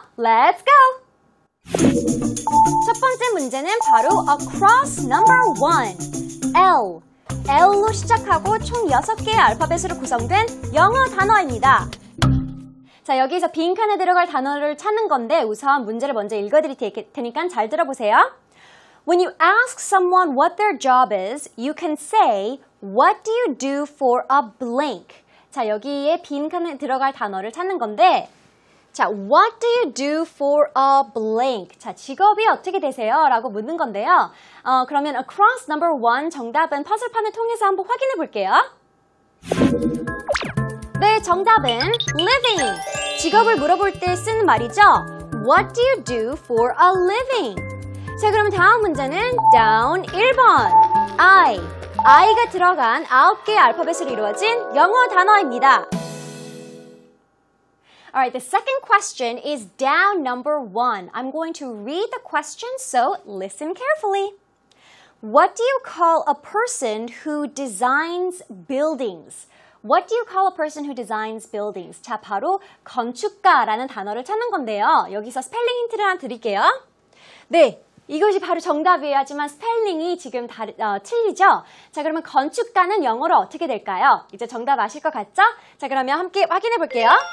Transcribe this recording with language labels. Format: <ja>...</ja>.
<en>Let's go!</en> <ko>첫 번째 문제는 바로</ko> <en>across number one, L.</en> <ko>L로 시작하고 총 6개의 알파벳으로 구성된 영어 단어입니다. 자, 여기서 빈칸에 들어갈 단어를 찾는 건데 우선 문제를 먼저 읽어드릴 테니까 잘 들어보세요.</ko> <en>When you ask someone what their job is, you can say, what do you do for a blank?</en> <ko>자, 여기에 빈칸에 들어갈 단어를 찾는 건데 자,</ko> <en>what do you do for a blank?</en> <ko>자, 직업이 어떻게 되세요? 라고 묻는 건데요. 그러면</ko> <en>across number one</en> <ko>정답은 퍼즐판을 통해서 한번 확인해 볼게요. 네, 정답은 living! 직업을 물어볼 때 쓰는 말이죠.</ko> <en>What do you do for a living?</en> <ko>자, 그러면 다음 문제는 down 1번 I I가 들어간 9개의 알파벳으로 이루어진 영어 단어입니다.</ko> <en>Alright, the second question is down number one. I'm going to read the question, so listen carefully. What do you call a person who designs buildings? What do you call a person who designs buildings?</en> <ko>자, 바로 건축가라는 단어를 찾는 건데요. 여기서 스펠링 힌트를 하나 드릴게요. 네. 이것이 바로 정답이에요. 하지만 스펠링이 지금 틀리죠? 자, 그러면 건축가는 영어로 어떻게 될까요? 이제 정답 아실 것 같죠? 자, 그러면 함께 확인해 볼게요.</ko>